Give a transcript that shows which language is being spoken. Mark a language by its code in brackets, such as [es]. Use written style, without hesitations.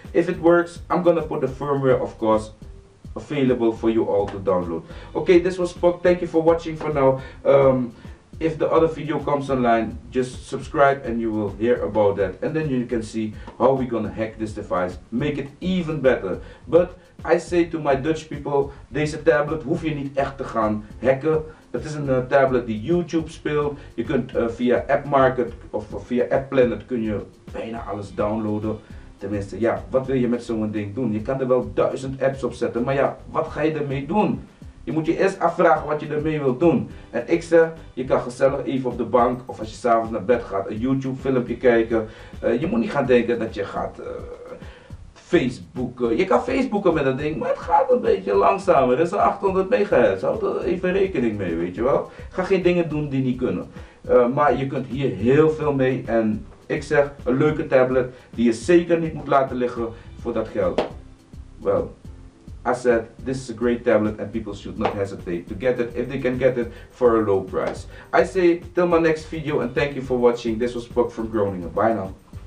[en] If it works, I'm gonna put the firmware, of course, available for you all to download. Okay, this was Puck. Thank you for watching for now. If the other video comes online, just subscribe and you will hear about that. And then you can see how we're gonna hack this device, make it even better. But I say to my Dutch people, [nl] deze tablet hoef je niet echt te gaan hacken. Het is een tablet die YouTube speelt. Je kunt via App Market of via App Planet kun je bijna alles downloaden. Tenminste, ja, wat wil je met zo'n ding doen? Je kan er wel 1000 apps op zetten, maar ja, wat ga je ermee doen? Je moet je eerst afvragen wat je ermee wilt doen. En ik zeg, je kan gezellig even op de bank of als je s'avonds naar bed gaat een YouTube filmpje kijken. Je moet niet gaan denken dat je gaat Facebooken. Je kan Facebooken met dat ding, maar het gaat een beetje langzamer. Dat is 800 megahertz. Houd er even rekening mee, weet je wel. Ga geen dingen doen die niet kunnen. Maar je kunt hier heel veel mee. En ik zeg, een leuke tablet die je zeker niet moet laten liggen voor dat geld. Wel, [en] I said, this is a great tablet and people should not hesitate to get it if they can get it for a low price. I say, till my next video and thank you for watching. This was Puck from Groningen. Bye now.